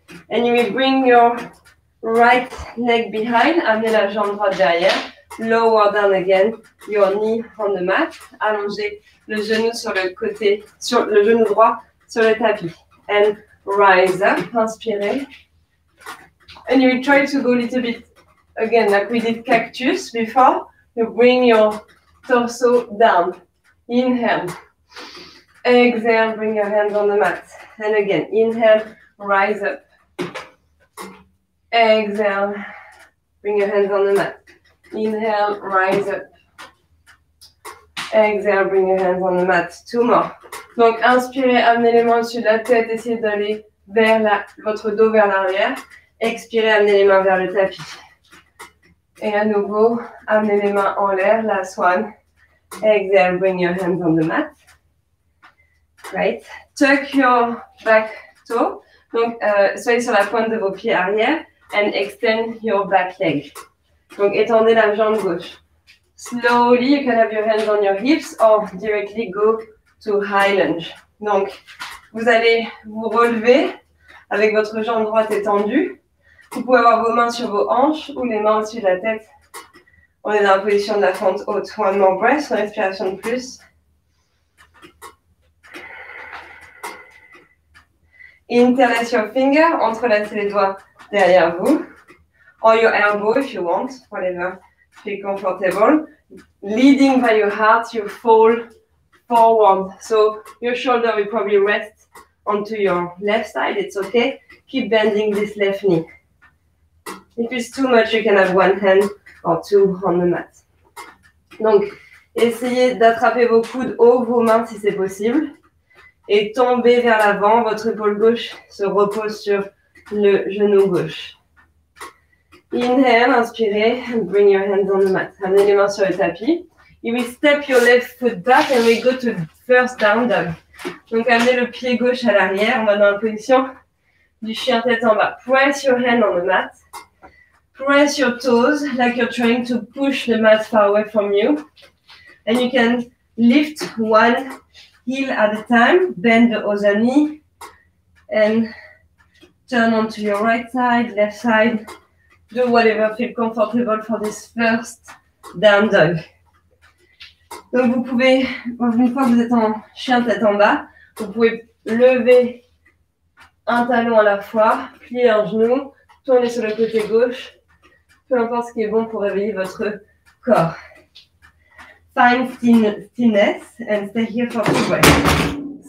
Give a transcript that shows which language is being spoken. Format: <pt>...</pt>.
<en>And you will bring your right leg behind.</en> <fr>Amenez la jambe droite derrière.</fr> <en>Lower down again. Your knee on the mat.</en> <fr>Allongez le genou sur le côté, sur le genou droit sur le tapis.</fr> <en>And rise up.</en> <fr>Inspirez.</fr> <en>And you will try to go a little bit again, like we did cactus before, you bring your torso down. Inhale. Exhale, bring your hands on the mat. And again, inhale, rise up. Exhale, bring your hands on the mat. Inhale, rise up. Exhale, bring your hands on the mat. Two more.</en> <fr>Donc, inspirez, amenez les mains sur la tête, essayez d'aller vers la, votre dos vers l'arrière. Expirez, amenez les mains vers le tapis. Et à nouveau, amenez les mains en l'air,</fr> <en>last one. Exhale, bring your hands on the mat. Right. Tuck your back toe.</en> <fr>Donc, soyez sur la pointe de vos pieds arrière</fr> <en>and extend your back leg.</en> <fr>Donc, étendez la jambe gauche.</fr> <en>Slowly, you can have your hands on your hips or directly go to high lunge.</en> <fr>Donc, vous allez vous relever avec votre jambe droite étendue. Vous pouvez avoir vos mains sur vos hanches ou les mains au-dessus de la tête. On est dans la position de la fente haute.</fr> <en>One more breath,</en> <fr>une respiration de plus.</fr> <en>Interlace your finger,</en> <fr>entrelacez les doigts derrière vous.</fr> <en>Or your elbow if you want, whatever, feel comfortable. Leading by your heart, you fall forward. So your shoulder will probably rest onto your left side, it's okay. Keep bending this left knee. If it's too much, you can have one hand or two on the mat.</en> <fr>Donc, essayez d'attraper vos coudes haut, vos mains si c'est possible. Et tombez vers l'avant, votre épaule gauche se repose sur le genou gauche.</fr> <en>Inhale,</en> <fr>inspirez,</fr> <en>bring your hands on the mat.</en> <fr>Amenez les mains sur le tapis.</fr> <en>You will step your left foot back and we go to first down dog.</en> <fr>Donc, amenez le pied gauche à l'arrière, on va dans la position du chien tête en bas.</fr> <en>Press your hand on the mat. Press your toes like you're trying to push the mat far away from you. And you can lift one heel at a time, bend the other knee, and turn onto your right side, left side. Do whatever feels comfortable for this first down dog.</en> <fr>Donc vous pouvez, une fois que vous êtes en chien tête en bas, vous pouvez lever un talon à la fois, plier un genou, tourner sur le côté gauche. Peu importe ce qui est bon pour réveiller votre corps.</fr> <en>Find stillness and stay here for two breaths.</en>